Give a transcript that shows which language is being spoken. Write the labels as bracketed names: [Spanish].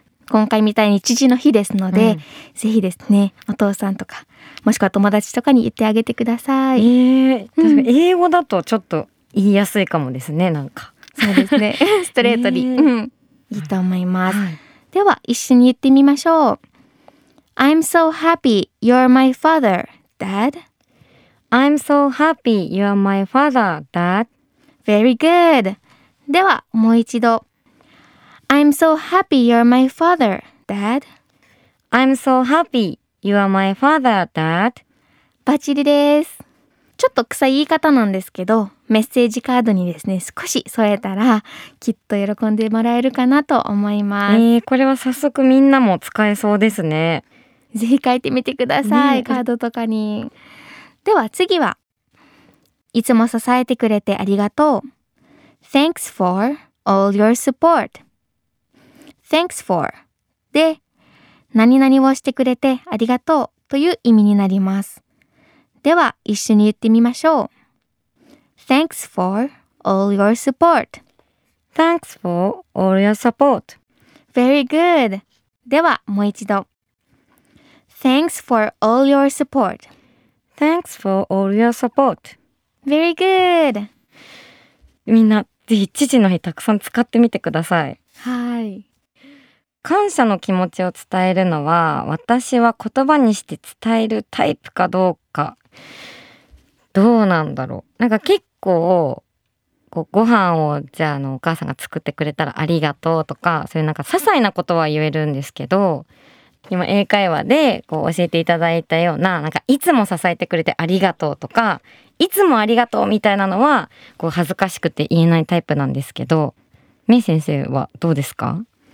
[Japanese] 今回みたいに父の日ですので、ぜひですね、お父さんとかもしくは友達とかに言ってあげてください。英語だとちょっと言いやすいかもですね。なんかそうですねストレートに、いいと思います、はい、では一緒に言ってみましょう。 [English] I'm so happy you're my father, dad. I'm so happy you're my father, dad. Very good. [Japanese] ではもう一度。 [English] I'm so happy you're my father, dad. I'm so happy you're my father, dad. [Japanese] バッチリです。ちょっと臭い言い方なんですけど、メッセージカードにですね少し添えたらきっと喜んでもらえるかなと思います。これは早速みんなも使えそうですね。ぜひ書いてみてください、カードとかに。では次はいつも支えてくれてありがとう。 [English] Thanks for all your support. Thanks for [Japanese] で何々をしてくれてありがとうという意味になります。では一緒に言ってみましょう。 [English] Thanks for all your support. Thanks for all your support. Very good. [Japanese] ではもう一度。 [English] Thanks for all your support. Thanks for all your support. Very good. [Japanese] みんな、ぜひ父の日たくさん使ってみてください。はい。感謝の気持ちを伝えるのは、私は言葉にして伝えるタイプかどうか。どうなんだろう。なんか結構、ご飯をじゃあのお母さんが作ってくれたらありがとうとか、そういうなんか些細なことは言えるんですけど、今英会話でこう教えていただいたような、なんかいつも支えてくれてありがとうとか、いつもありがとうみたいなのはこう恥ずかしくて言えないタイプなんですけど、メイ先生はどうですか？